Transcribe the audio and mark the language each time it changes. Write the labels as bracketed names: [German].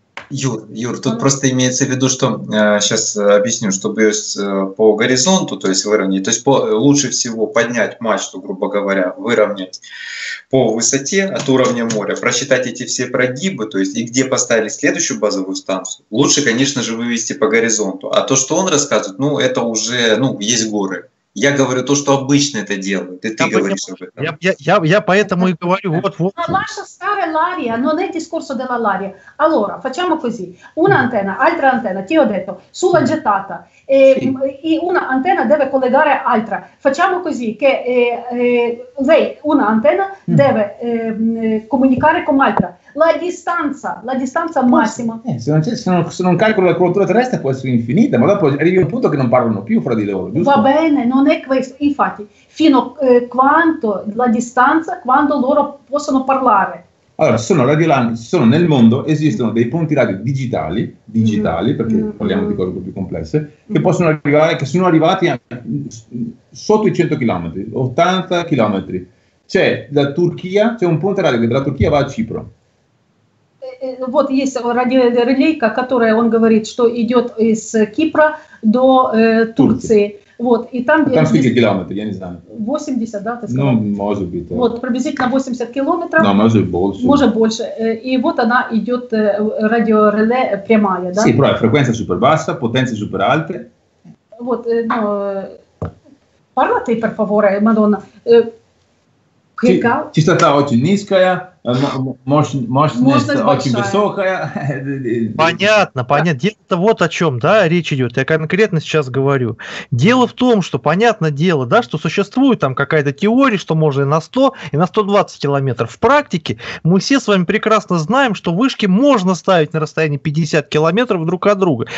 [Russian] Юр, тут просто имеется в виду, что сейчас объясню, чтобы по горизонту, то есть выровнять, то есть лучше всего поднять мачту, грубо говоря, выровнять по высоте от уровня моря, просчитать эти все прогибы, то есть и где поставили следующую базовую станцию, лучше, конечно же, вывести по горизонту. А то, что он рассказывает, ну это уже, ну есть горы. Я говорю то, что обычно это делают, и ты говоришь об этом. Я поэтому и говорю, вот. [Italian] L'aria non è discorso dell'aria. Allora facciamo così: una antenna, altra antenna, ti ho detto sulla gettata, e una antenna deve collegare altra. Facciamo così: che lei, una antenna, deve comunicare con altra. La distanza massima. Se non calcolo la curvatura terrestre, può essere infinita, ma dopo arrivi a un punto che non parlano più fra di loro. Giusto? Va bene, non è questo. Infatti, fino a quanto la distanza, quando loro possono parlare. Allora, sono radiolani, sono nel mondo, esistono dei ponti radio digitali, perché parliamo di cose un po' più complesse, che possono arrivare, che sono arrivati sotto i 100 km, 80 km. C'è la Turchia, c'è un ponte radio che dalla Turchia va a Cipro. [Russian] Вот есть радиорелейка, которая, он говорит, что идет из Кипра до Турции. Вот, и там, а там сколько километров, я не знаю. 80, да, ты сказал? Ну, может быть, да. Вот, приблизительно 80 километров. Да, может быть, больше. Может больше. И вот она идет, радиореле прямая, да? [Italian] Си, [Russian] правильно, [Italian] фреквенция супербасса, потенция суперальта. Вот, ну, parla te, per favore, Madonna. [Russian] Частота очень низкая, мощность очень высокая. Понятно, понятно. Дело-то вот о чем, да, речь идет. Я конкретно сейчас говорю. Дело в том, что понятное дело, да, что существует там какая-то теория, что можно и на 100, и на 120 километров. В практике мы все с вами прекрасно знаем, что вышки можно ставить на расстоянии 50 километров друг от друга.